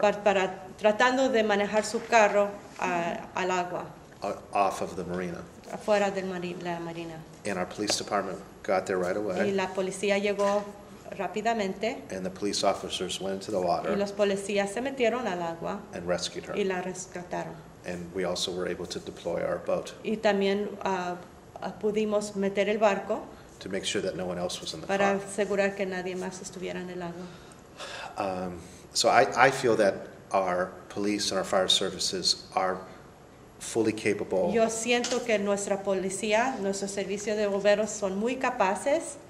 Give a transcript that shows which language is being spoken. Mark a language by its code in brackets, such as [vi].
[es] para tratando de manejar su carro al agua [en] off of the marina [es] afuera de la marina [en] and our police department got there right away [es] y la policía llegó rápidamente [en] and the police officers went into the water [es] y los policías se metieron al agua [en] and rescued her [es] y la rescataron. [en] And we also were able to deploy our boat. [es] Y también pudimos meter el barco. [en] To make sure that no one else was in the [es] para Para asegurar que nadie más estuviera en el agua. [en] So I feel that our police and our fire services are fully capable. [es] Yo siento que nuestra policía, nuestro servicio de bomberos son muy capaces